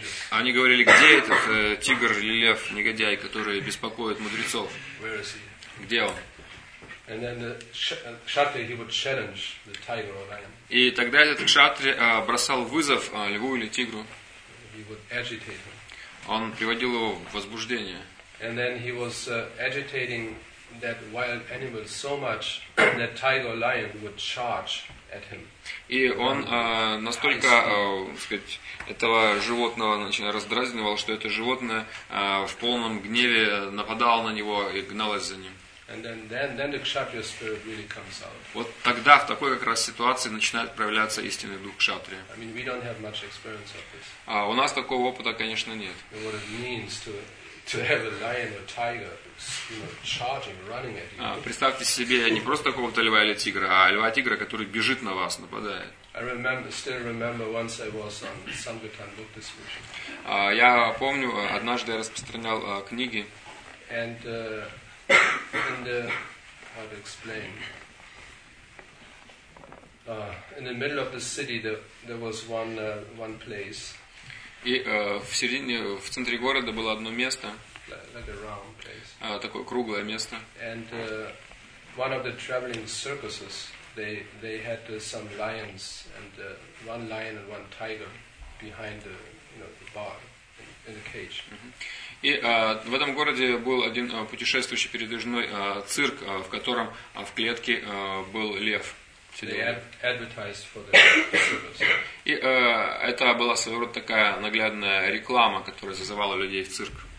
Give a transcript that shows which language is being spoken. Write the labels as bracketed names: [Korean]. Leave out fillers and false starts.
[Russian] Они говорили: где этот тигр или лев, негодяй, который беспокоит мудрецов? Где он? [English] And then he would challenge the tiger or lion. [Russian] И тогда этот кшатри бросал вызов льву или тигру. [English] He would agitate him. [Russian] Он приводил его в возбуждение. [English] And then he was agitating that wild animal so much that tiger or lion would charge at him. [Russian] И он настолько, сказать, этого животного раздразнивал, что это животное в полном гневе нападало на него и гналось за ним. [English] And then the kshatriya spirit really comes out. [Russian] Вот тогда в такой как раз ситуации начинает проявляться истинный дух кшатрия. [English] I mean, we don't have much experience of this. [Russian] А у нас такого опыта, конечно, нет. [English] And what it means to have a lion or tiger, you know, charging, running at you. [Russian] А представьте себе не просто какого-то льва или тигра, а льва-тигра, который бежит на вас, нападает. [English] I still remember once I was on Sangatan book distribution. [Russian] Я помню, однажды я распространял книги. [English] And how to explain? In the middle of the city, there was one place. [Russian] И в середине, в центре города было одно место. [English] Like a round place. [Russian] Такое круглое место. [English] And one of the traveling circuses, they had some lions and one lion and one tiger behind the, you know, the bar in the cage. [Russian] И в этом городе был один путешествующий передвижной цирк, в котором в клетке был лев. И это была своего рода такая наглядная реклама, которая зазывала людей в цирк.